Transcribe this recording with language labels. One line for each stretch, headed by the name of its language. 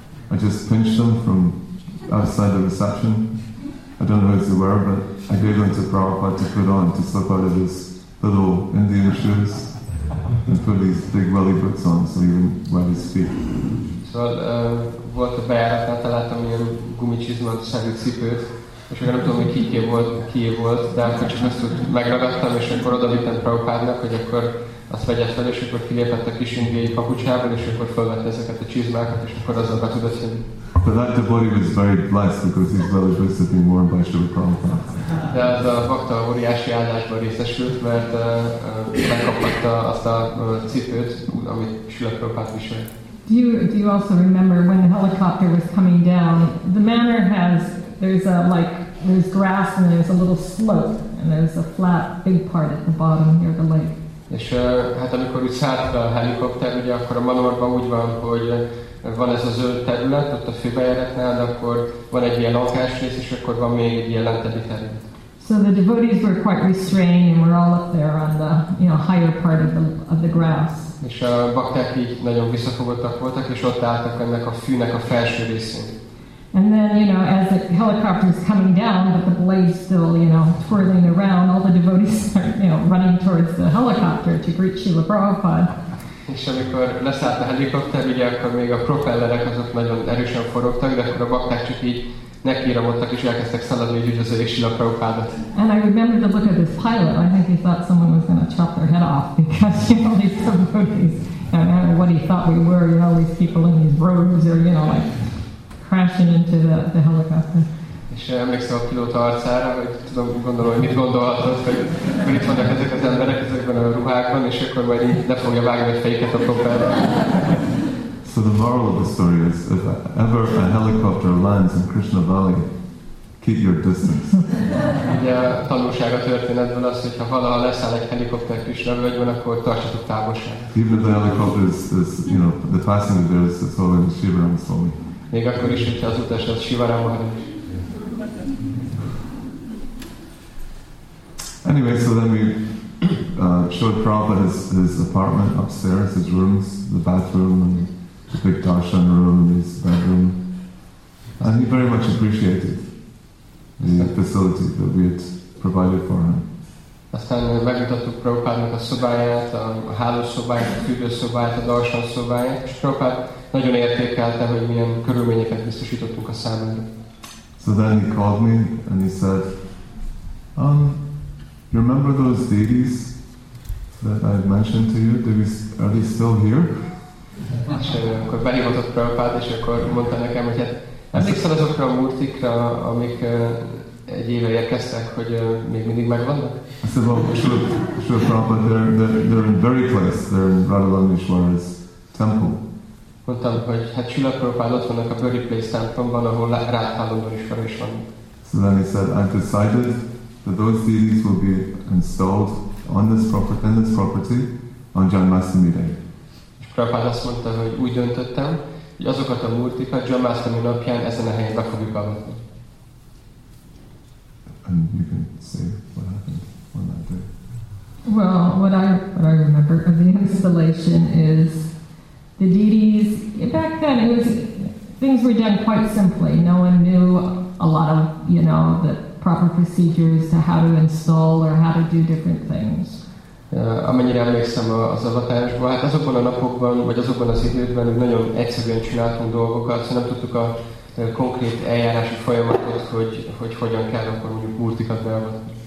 English: I just pinched them from outside the reception. I don't know who they were, but I gave them to Prabhupada to put on, to slip out of his little Indian shoes and put these big welly boots on so he wouldn't wet his feet.
Hungarian: So, volt a bejáratnál találtam ilyen gumicsizmát, szerű cipőt, és akkor nem tudom, hogy kié volt, de akkor csak azt úgy megragadtam, és akkor odavittem Prabhupádnak, hogy akkor azt vegye fel, és akkor kilépett a kis indiai papucsából, és akkor felvette ezeket a csizmákat, és akkor azzal be tudott jönni.
English: But that devotee was very blessed because his belly boots had been worn by Srila Prabhupada.
Hungarian: De az a bhakta óriási áldásban részesült, mert megkaphatta azt a cipőt, amit Srila Prabhupada viselt.
English: Do you also remember when the helicopter was coming down? The manor has, there's grass and there's a little slope and there's a flat big part at the bottom near the lake.
Hungarian: És hát amikor úgy szállt a helikopter, ugye akkor a manorban úgy van, hogy van ez a zöld terület, ott a főbejáratnál, de akkor van egy ilyen lakásrész, és akkor van még egy ilyen lentebbi terület.
English: So the devotees were quite restrained and were all up there on the, you know, higher part of the grass.
Hungarian: És a bakták így nagyon visszafogottak voltak, és ott álltak ennek a fűnek a felső részén.
English: And then, you know, as the helicopter is coming down, but the blade still, you know, twirling around, all the devotees are, you know, running towards the helicopter to greet Srila Prabhupada.
Hungarian: És amikor leszállt a helikopter, ugye akkor még a propellerek azok nagyon erősen forogtak, de akkor a bakták csak így nekiramodtak és elkezdtek szaladni, hogy üdvözöljék Srila Prabhupádat.
English: And I remember the look of this pilot. I think he thought someone was going to chop their head off because, you know, these devotees, you know, and what he thought we were, you know, these people in these robes or, you know, like, crashing into the helicopter.
Hungarian: És emlékszem a pilóta arcára, hogy tudom, gondolom, hogy mit gondolhatod, hogy itt vannak ezek az emberek, ezekben a ruhákban, és akkor majd le fogja vágni a fejüket a propellerre.
English: So the moral of the story is, if ever a helicopter lands in Krishna Valley, keep your distance.
Hungarian: Ugye a tanulság a történetből az, hogyha valaha leszáll egy helikopter Krishna Valley-ben, akkor tartsatok távolságot.
English: Even if the helicopter is, you know, the passing of there is following the Shivaram Swami.
Hungarian: Még akkor is, hogyha az utas az Shivaram Maharaj.
English: Anyway, so then we showed Prabhupada his apartment upstairs, his rooms, the bathroom, and the big darshan room, and his bedroom. And he very much appreciated the facility that we had provided for him.
Hungarian: Aztán megmutattuk Prabhupádnak a szobáját, a hálószobáját, a fűvőszobáját, a darshan szobáját, és Prabhupád nagyon értékelte, hogy milyen körülményeket biztosítottunk a számára.
English: So then he called me and he said, you remember those deities that I mentioned to you? Are they still here?
Hungarian: És akkor behívott Prabhupád, és akkor mondta nekem, hogy hát emlékszel azokra a murtikra, amik egy éve érkeztek, hogy még mindig megvannak?
English: I said, well, sure, Prabhupád, they're in very place, they're in Radhalanishwara's temple.
Hungarian: Mondtam, hogy hát Srila Prabhupád ott vannak a Böri Place templomban, ahol Radhalanishwara is van.
English: So then he said, I've decided that those deities will be installed on this property, in this property, on Janmashtami day.
Hungarian: És Prabhupada azt mondta, hogy úgy döntöttem, hogy azokat a murtikat Janmashtami napján ezen a helyen be fogjuk avatni.
English: And you can say what happened on that day. Well, what I remember of the installation is the deities. Back then, things were done quite simply. No one knew a lot of, you know, the proper procedures to how to install or how to do different things.
Hungarian: Amennyire emlékszem az avatásból, hát azokban a napokban, vagy azokban az időkben nagyon egyszerűen csináltunk dolgokat, szóval nem tudtuk a konkrét eljárási folyamatot, hogy hogyan kell akkor mondjuk murtikat beavatni.